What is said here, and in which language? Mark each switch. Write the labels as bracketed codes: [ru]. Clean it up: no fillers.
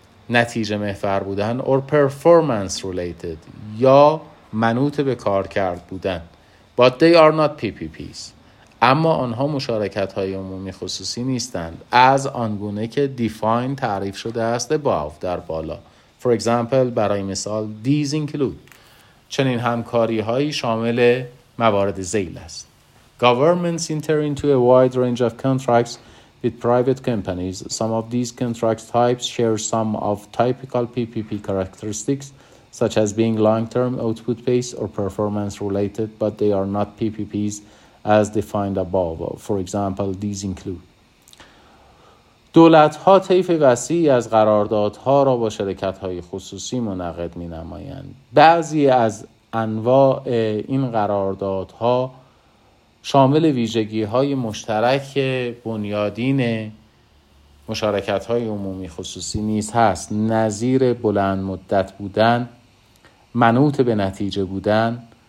[fa] نتیجه محور بودن, [en] or performance related, [fa] یا منوط به کار کرد بودن, [en] but they are not PPPs, [fa] اما آنها مشارکت های عمومی خصوصی نیستند از آنگونه که [en] define [fa] تعریف شده است [en] above, [fa] در بالا. [en] For example, [fa] برای مثال, [en] these include, [fa] چنین همکاری هایی شامل موارد ذیل است. [en] Governments enter into a wide range of contracts with private companies. Some of these contract types share some of typical PPP characteristics, such as being long-term, output-based, or performance-related, but they are not PPPs as defined above. For example, these include. [fa] دولت‌ها طیف وسیعی از قراردادها را با شرکت‌های خصوصی منعقد می‌نمایند. بعضی از انواع این قراردادها شامل ویژگی‌های مشترک بنیادین مشارکت‌های عمومی خصوصی نیز هست، نظیر بلند مدت بودن، منوط به نتیجه بودن